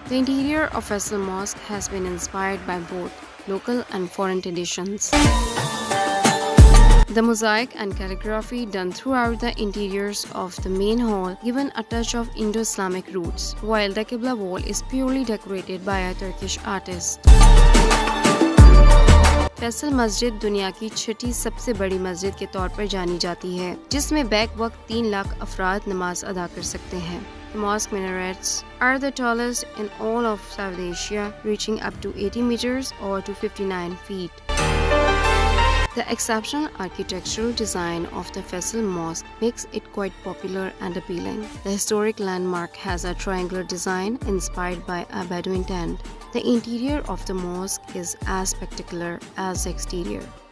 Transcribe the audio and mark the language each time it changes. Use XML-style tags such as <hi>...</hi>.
<en>The interior of Faisal Mosque has been inspired by both local and foreign traditions. The mosaic and calligraphy done throughout the interiors of the main hall given a touch of Indo-Islamic roots, while the Qibla wall is purely decorated by a Turkish artist.</en> <ur>Faisal مسجد دنیا کی چھٹی سب سے بڑی مسجد کے طور پر جانی جاتی ہے، جس میں بیک وقت 300,000 افراد نماز ادا کر سکتے ہیں۔</ur> <en>The mosque minarets are the tallest in all of South Asia, reaching up to 80 meters or to 59 feet. The exceptional architectural design of the Faisal Mosque makes it quite popular and appealing. The historic landmark has a triangular design inspired by a Bedouin tent. The interior of the mosque is as spectacular as the exterior.</en>